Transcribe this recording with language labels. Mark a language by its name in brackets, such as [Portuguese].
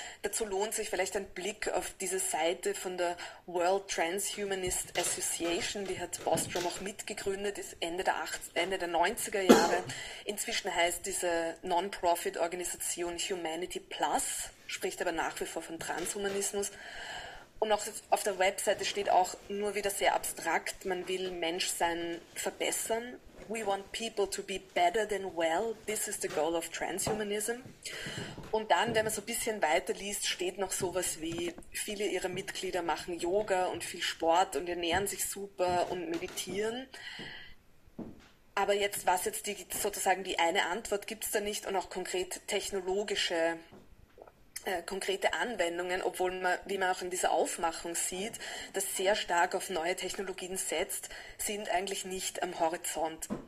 [German] Dazu lohnt sich vielleicht ein Blick auf diese Seite von der World Transhumanist Association, die hat Bostrom auch mitgegründet, ist Ende der 90er Jahre. Inzwischen heißt diese Non-Profit-Organisation Humanity Plus, spricht aber nach wie vor von Transhumanismus. Und auch auf der Webseite steht auch nur wieder sehr abstrakt, man will Menschsein verbessern. [English] We want people to be better than well. This is the goal of transhumanism. [German] Und dann, wenn man so ein bisschen weiterliest, steht noch sowas wie, viele ihrer Mitglieder machen Yoga und viel Sport und ernähren sich super und meditieren. Aber jetzt, was jetzt die, sozusagen die eine Antwort gibt es da nicht und auch konkret technologische, konkrete Anwendungen, obwohl man, wie man auch in dieser Aufmachung sieht, das sehr stark auf neue Technologien setzt, sind eigentlich nicht am Horizont.